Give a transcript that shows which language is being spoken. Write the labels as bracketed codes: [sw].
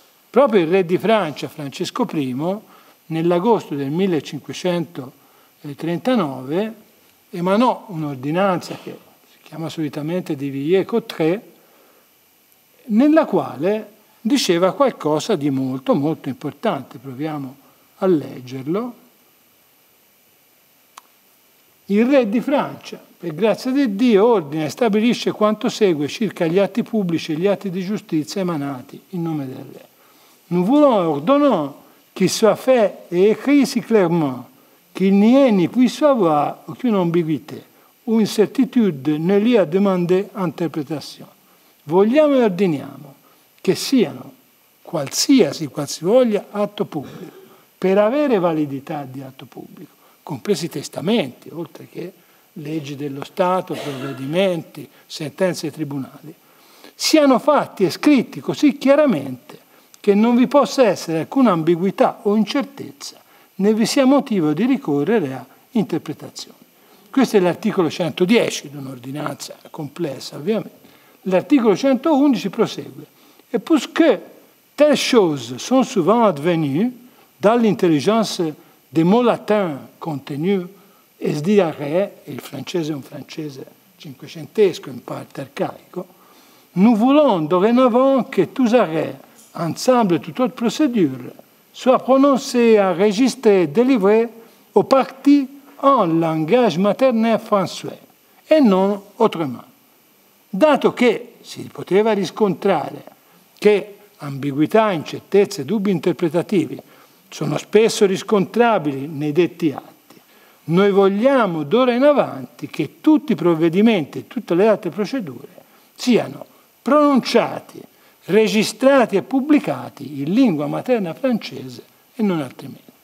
[it] Proprio il re di Francia, Francesco I, nell'agosto del 1539, emanò un'ordinanza che si chiama solitamente di Villiers-Cotterêts, nella quale diceva qualcosa di molto, molto importante. Proviamo a leggerlo. Il re di Francia, per grazia di Dio, ordina e stabilisce quanto segue circa gli atti pubblici e gli atti di giustizia emanati in nome del re. [fr] Nous voulons ordonner qu'il soit fait et écrit si clairement qu'il n'y ait ni puisse avoir aucune ambiguïté ou incertitude ne lui a demandé interprétation. [it] Vogliamo e ordiniamo che siano qualsivoglia atto pubblico, per avere validità di atto pubblico, compresi testamenti, oltre che leggi dello Stato, provvedimenti, sentenze e tribunali, siano fatti e scritti così chiaramente che non vi possa essere alcuna ambiguità o incertezza, né vi sia motivo di ricorrere a interpretazioni. Questo è l'articolo 110 di un'ordinanza complessa, ovviamente. L'articolo 111 prosegue. [fr] Et puisque telles choses sont souvent advenues dans l'intelligence des mots latins contenus, et se dit à re, [it] il francese è un francese cinquecentesco, in parte arcaico, [fr] nous voulons dorénavant que tous arrêts, ensemble toute autre procédure, soit prononcée, enregistrée, délivrée aux parties en langage maternel français, et non autrement. [it] Dato che si poteva riscontrare che ambiguità, incertezze e dubbi interpretativi sono spesso riscontrabili nei detti atti, noi vogliamo d'ora in avanti che tutti i provvedimenti e tutte le altre procedure siano pronunciati, registrati e pubblicati in lingua materna francese e non altrimenti.